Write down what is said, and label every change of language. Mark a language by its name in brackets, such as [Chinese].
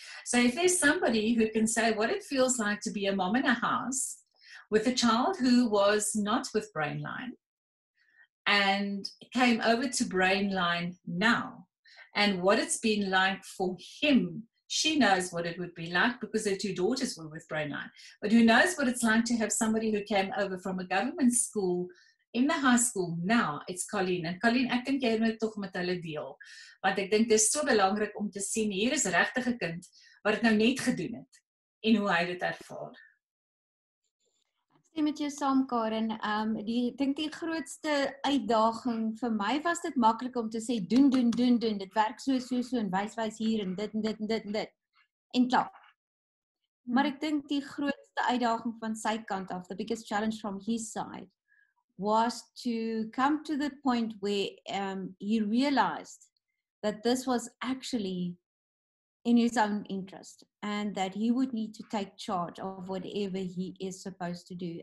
[English] So if there's somebody who can say what it feels like to be a mom in a house with a child who was not with Brainline and came over to Brainline now, and what it's been like for him, she knows what it would be like because her two daughters were with Brainline. But who knows what it's like to have somebody who came over from a government school in the high school now? It's Colleen. And Colleen, [Afrikaans] ek dink jy moet tog met hulle deel. Want ek dink dit is so belangrik om te sien, hier is regtig 'n kind wat het nou net gedoen het en hoe hy dit ervaar. Met jou saam, Karen. Ek dink die grootste uitdaging vir my was dit maklik om te sê doen, dit werk so en wys hier en dit. En klaar. Maar ek dink die grootste uitdaging van sy kant af, [English] the biggest challenge from his side, was to come to the point where he realized that this was actually in his own interest, and that he would need to take charge of whatever he is supposed to do.